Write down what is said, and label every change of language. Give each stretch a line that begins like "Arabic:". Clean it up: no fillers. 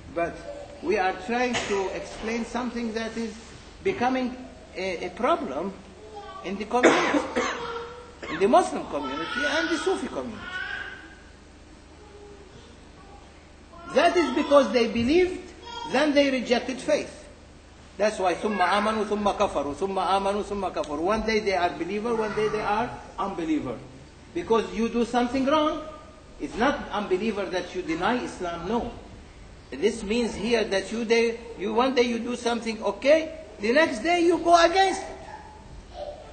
English: But we are trying to explain something that is becoming a problem in the community, in the Muslim community and the Sufi community. That is because they believed, then they rejected faith. That's why
Arabic: ثم آمنوا ثم كفروا ثم آمنوا ثم كفروا.
English: One day they are believer, one day they are unbeliever. Because you do something wrong. It's not unbeliever that you deny Islam, no. This means here that one day you do something okay, the next day you go against it.